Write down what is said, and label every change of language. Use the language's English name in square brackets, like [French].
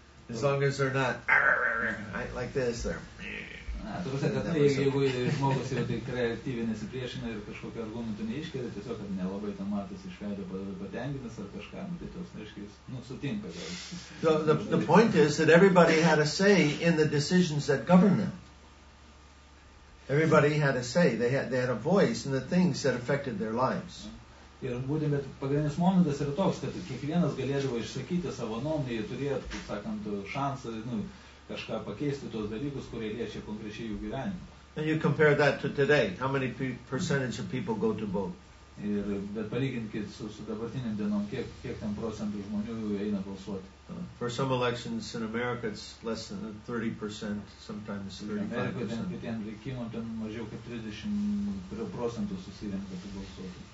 [English] As long as they're not like this, they're... [Lithuanian] Jeigu žmogus jau tai kreatyviai nesipriešina ir kažkokio argumentų neiškeria, tiesiog, kad nelabai tam matys išveido patenkinęs ar kažką, tai tos, aiškiai, nu, sutinka. [English] The point is that everybody had a say in the decisions that govern them. Everybody had a say. They had a voice in the things that affected their lives. [Lithuanian] Ir būtent pagrindinis momentas yra toks, kad kiekvienas galėdavo išsakyti savo nuomonę, jie turėjo, kaip sakant, šansą, nu, kažką pakeisti tos dalykus, kurie liečia konkrečiai jų gyvenimą. [English] And you compare that to today. How many percentage of people go to vote? [Lithuanian] Ir, bet palyginkit su dabartinėm dienom, kiek ten procentų žmonių eina balsuoti. [English] For some elections in America, it's less than 30%, sometimes 35%. [Lithuanian] Amerikoje ten rinkimų, ten mažiau kaip 30% susirenka tų balsuoti.